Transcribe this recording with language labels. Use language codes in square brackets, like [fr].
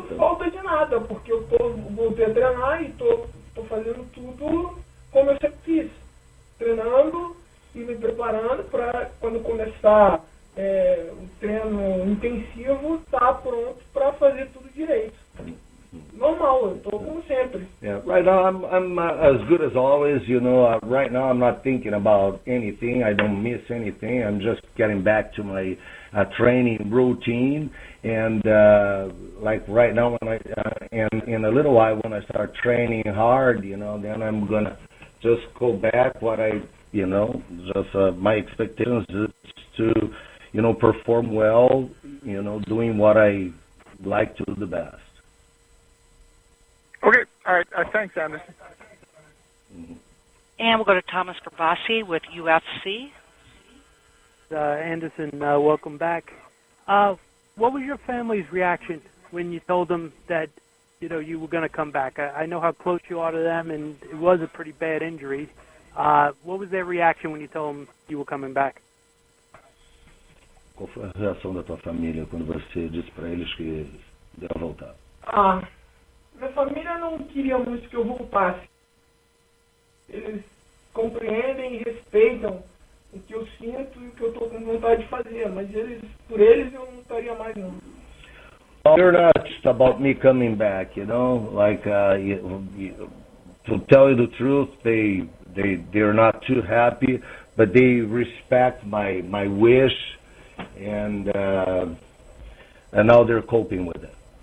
[pt] Não sinto falta de nada, porque eu voltei a treinar e tô fazendo tudo como eu sempre fiz. Treinando e me preparando para quando começar o treino intensivo, estar pronto para fazer tudo direito. Normal, eu estou como sempre. [en] Yeah, right now I'm as good as always, you know. Right now I'm not thinking about anything. I don't miss anything. I'm just getting back to my training routine. And like right now, when in a little while, when I start training hard, you know, then I'm gonna just go back what I, you know, just my expectations is to, you know, perform well, you know, doing what I like to do the best. Okay. All right. Thanks, Anderson. Mm-hmm. And we'll go to Thomas Grabasi with UFC. Anderson, welcome back. What was your family's reaction when you told them that, you know, you were going to come back? I know how close you are to them, and it was a pretty bad injury. What was their reaction when you told them you were coming back? [pt] Qual foi a reação da tua família quando você disse para eles que ia voltar? Minha família não queria muito que eu voltasse. Eles compreendem e respeitam o que eu sinto e o que eu tô com vontade de fazer, mas por eles eu não estaria mais não. [en] You're not just about me coming back, you know, like, to tell you the truth, they're not too happy, but they respect my wish, and now they're coping with it.